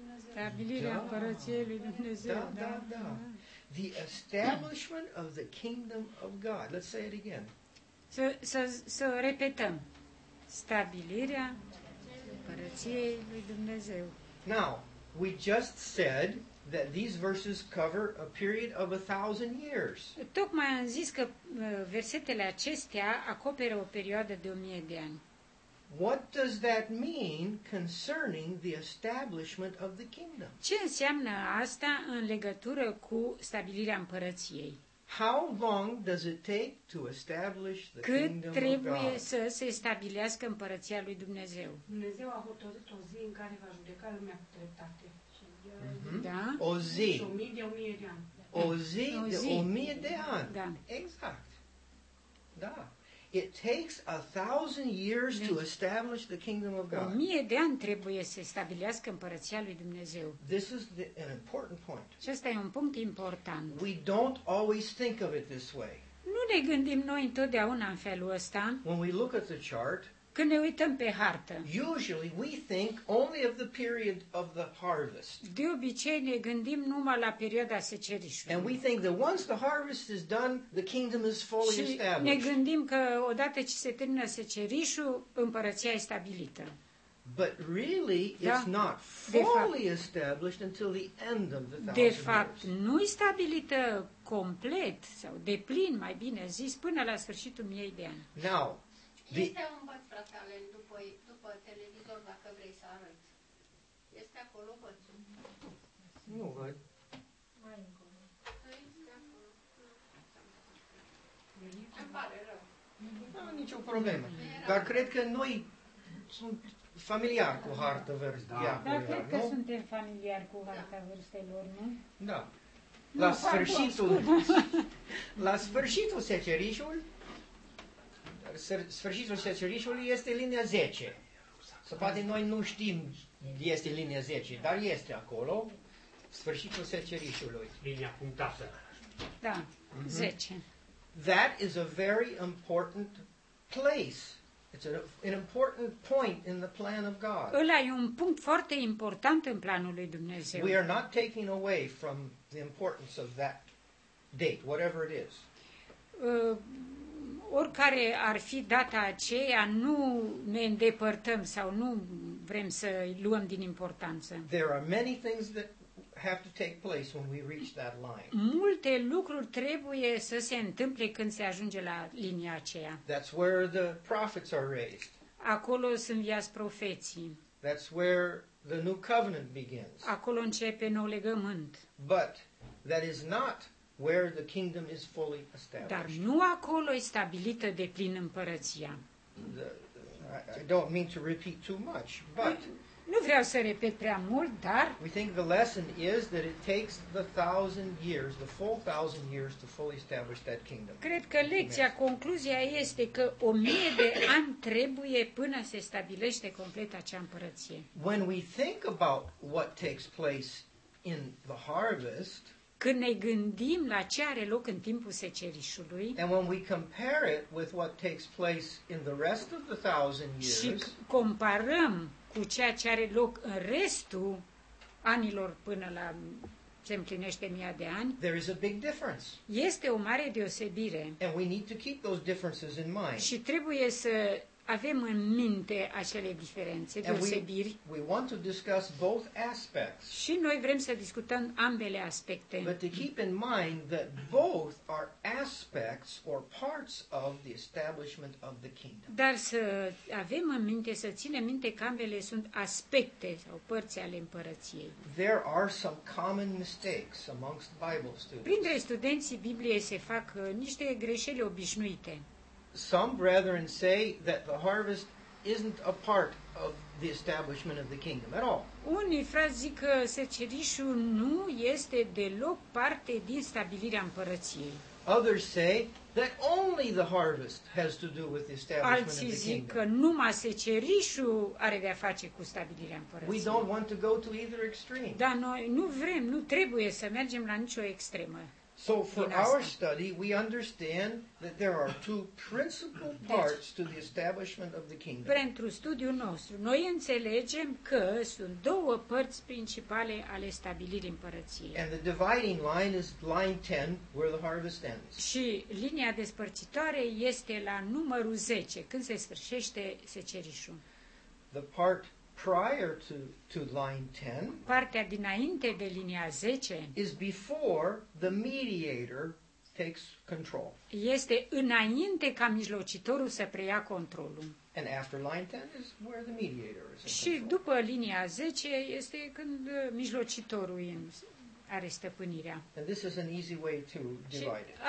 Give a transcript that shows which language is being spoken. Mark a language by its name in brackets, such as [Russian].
[Romanian] Stabilirea împărăției lui Dumnezeu. Da, da, da. [English] The establishment of the kingdom of God. Let's say it again. [Romanian] Să repetăm. Stabilirea împărăției lui Dumnezeu. [English] Now, we just said that these verses cover a period of 1,000 years. [Romanian] Tocmai am zis că versetele acestea acoperă o perioadă de 1,000 de ani. [English] What does that mean concerning the establishment of the kingdom? [Romanian] Ce înseamnă asta în legătură cu stabilirea împărăției? [English] How long does it take to establish the kingdom of God? [Romanian] Cât trebuie să se stabilească împărăția lui Dumnezeu? Dumnezeu a hotărât o zi în care va judeca lumea cu dreptate. Da? O zi. Și 1,000 de ani. O zi de 1,000 de ani. Da. Exact. Da. [English] It takes 1,000 years to establish the kingdom of God. [Romanian] 1,000 de ani trebuie să stabilească împărăția lui Dumnezeu. [English] This is an important point. [Romanian] Și ăsta e un punct important. [English] We don't always think of it this way. [Romanian] Nu ne gândim noi întotdeauna în felul ăsta. [English] When we look at the chart, [Romanian] când ne uităm pe hartă, [English] usually we think only of the period of the harvest. [Romanian] De obicei ne gândim numai la perioada secerișului. [English] And we think that once the harvest is done, the kingdom is fully established. [Romanian] Și ne gândim că odată ce se termină secerișul, împărăția e stabilită. [English] But really, [Romanian] da? [English] It's not fully established until the end of the thousand years. [Romanian] De fapt, nu e stabilită complet sau de plin, mai bine zis, până la sfârșitul miei de ani. [English] Now, the... [Romanian] Este un băț, frate Alen, după televizor, dacă vrei să arăți. Este acolo bățul. Nu văd. Mai încă. Îmi pare rău. Nu, nicio problemă. Dar cred că noi sunt familiari cu harta verzi. Da, cred că suntem familiari cu harta verzilor, nu? Da. La sfârșitul... La sfârșitul secerișul... Sfârșitul secerișului este linia 10. Să poate noi nu știm este linia 10, dar este acolo sfârșitul secerișului. Linia punctată. Da, 10. [English] That is a very important place. It's an important point in the plan of God. [Romanian] Ăla e un punct foarte important în planul lui Dumnezeu. [English] We are not taking away from the importance of that date, whatever it is. [Romanian] Oricare ar fi data aceea, nu ne îndepărtăm sau nu vrem să luăm din importanță. [English] There are many things that have to take place when we reach that line. [Romanian] Multe lucruri trebuie să se întâmple când se ajunge la linia aceea. [English] That's where the prophets are raised. [Romanian] Acolo sunt viați profeții. [English] That's where the new covenant begins. [Romanian] Acolo începe nou legământ. [English] But that is not where the kingdom is fully established. [Romanian] Dar nu acolo e stabilită de plin împărăția. [English] I don't mean to repeat too much, but [Romanian] nu vreau să repet prea mult, dar [English] we think the lesson is that it takes the thousand years, the full thousand years to fully establish that kingdom. [Romanian] Cred că lecția, concluzia este că 1000 de ani trebuie până se stabilește complet acea împărăție. [English] When we think about what takes place in the harvest, [Romanian] când ne gândim la ce are loc în timpul secerișului, [English] and when we compare it with what takes place in the rest of the thousand years, [Romanian] și comparăm cu ceea ce are loc în restul anilor până la se împlinește 1000 de ani. [English] There is a big difference. [Romanian] Este o mare deosebire. [English] And we need to keep those differences in mind. [Romanian] Și trebuie să avem în minte acele diferențe, deosebiri. [English] We want to discuss both aspects. [Romanian] Și noi vrem să discutăm ambele aspecte. [English] But to keep in mind that both are aspects or parts of the establishment of the kingdom. [Romanian] Dar să avem în minte, să ținem minte că ambele sunt aspecte sau părți ale împărăției. [English] There are some common mistakes amongst Bible students. [Romanian] Printre studenții Bibliei se fac niște greșeli obișnuite. [English] Some brethren say that the harvest isn't a part of the establishment of the kingdom at all. [Romanian] Unii frați zic că secerișul nu este deloc parte din stabilirea împărăției. [English] Others say that only the harvest has to do with the establishment of the kingdom. [Romanian] Alții zic că numai secerișul are de-a face cu stabilirea împărăției. [English] We don't want to go to either extreme. [Romanian] Dar noi nu vrem, nu trebuie să mergem la nicio extremă. [English] So for our study, we understand that there are two principal parts to the establishment of the kingdom. [Romanian] Pentru studiul nostru, noi înțelegem că sunt două părți principale ale stabilirii împărăției. [English] And the dividing line is line 10, where the harvest ends. [Romanian] Și linia despărțitoare este la numărul 10, când se sfârșește secerișul. [English] The part prior to line 10, [Romanian] partea dinainte de linia 10, [English] is before the mediator takes control. [Romanian] Este înainte ca mijlocitorul să preia controlul. [English] And after line 10 is where the mediator is. [Romanian] Și după linia 10 este când mijlocitorul are stăpânirea. [English] And this is an easy way to divide it.